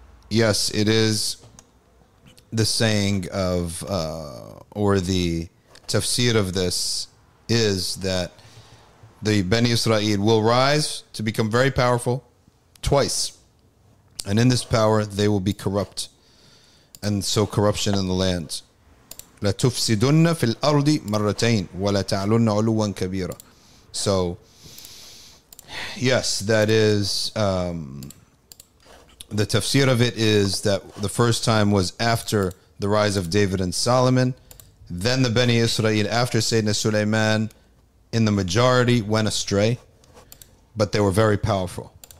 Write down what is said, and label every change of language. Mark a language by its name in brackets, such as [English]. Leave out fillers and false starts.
[English] Yes, it is the saying of or the tafsir of this is that the Bani Israel will rise to become very powerful twice, and in this power they will be corrupt, and so corruption in the land. [Arabic] لا تفسدن في الأرض مرتين ولا تعلن علوا كبيرا. [English] So yes, that is the tafsir of it is that the first time was after the rise of David and Solomon. then the Bani Israel after Sayyidina Sulaiman, in the majority went astray, but they were very powerful.